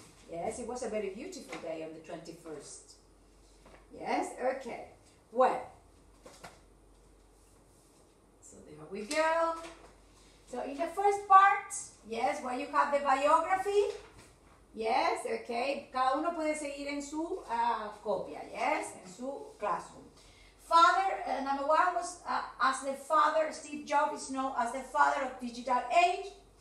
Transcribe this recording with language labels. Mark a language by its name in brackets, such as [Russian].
[English] Yes, it was a very beautiful day on the 21st. Yes, okay. Well, so there we go. So in the first part, yes, where you have the biography, yes, okay. [Spanish] Cada uno puede seguir en su copia, yes, en su classroom. [English] Father, number one was, as the father, Steve Jobs is known as the father of digital age.